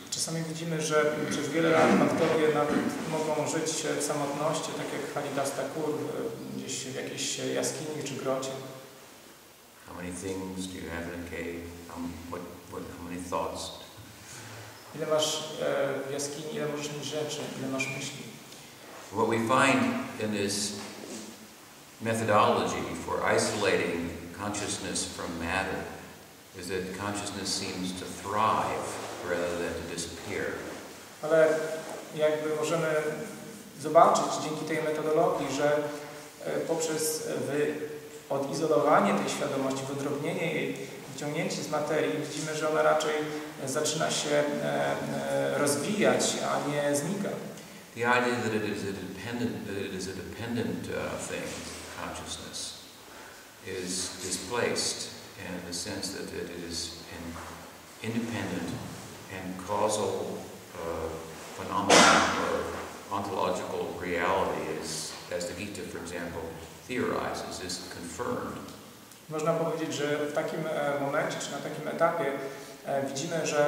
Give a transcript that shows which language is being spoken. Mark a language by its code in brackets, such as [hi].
[pl] Czasami widzimy, że przez wiele lat bhaktowie nawet mogą żyć w samotności, tak jak Haridas Thakur, gdzieś w jakiejś jaskini czy grocie. [en] How many things do you have in a cave? How many thoughts? [pl] Ile masz w jaskini, ile możesz mieć rzeczy, ile masz myśli? [en] What we find in this methodology for isolating consciousness from matter is that consciousness seems to thrive rather than to disappear. [pl] Ale jakby możemy zobaczyć dzięki tej metodologii, że poprzez odizolowanie tej świadomości, wydrobnienie jej, wyciągnięcie z materii, widzimy, że ona raczej zaczyna się rozwijać, a nie znika. [en] The idea that it is a dependent thing, consciousness, is displaced in the sense that it is an independent and causal phenomenon or ontological reality, as the Gita, for example, theorizes, is confirmed. [pl] Można powiedzieć, że w takim momencie, czy na takim etapie widzimy,